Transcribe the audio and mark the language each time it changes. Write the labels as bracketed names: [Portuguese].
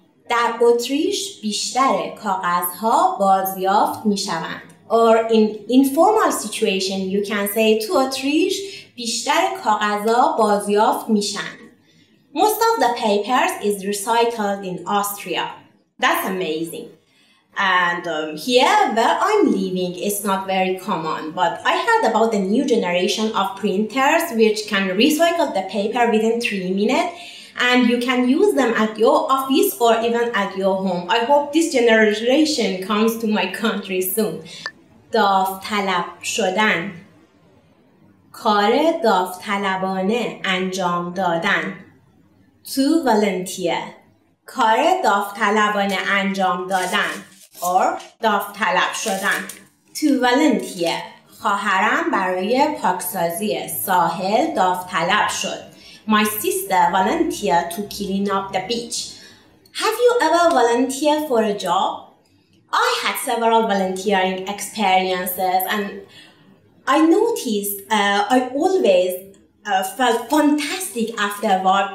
[Persian] در اتریش بیشتر کاغذها بازیافت می شوند. [English] Or in informal situation, you can say [Persian] تو اتریش بیشتر کاغذها بازیافت می شوند. [English] Most of the papers is recycled in Austria. That's amazing. And here where I'm living, it's not very common. But I heard about the new generation of printers which can recycle the paper within 3 minutes. And you can use them at your office or even at your home. I hope this generation comes to my country soon. [Persian] داوطلب شدن. کار داوطلبانه انجام دادن. [English] To volunteer. [Persian] کار داوطلبانه انجام دادن. [English] Or [Persian] داوطلب شدن. [English] To volunteer. [Persian] خواهرم برای پاکسازی ساحل داوطلب شد. [English] My sister volunteered to clean up the beach. Have you ever volunteered for a job? I had several volunteering experiences and I noticed I always felt fantastic after work.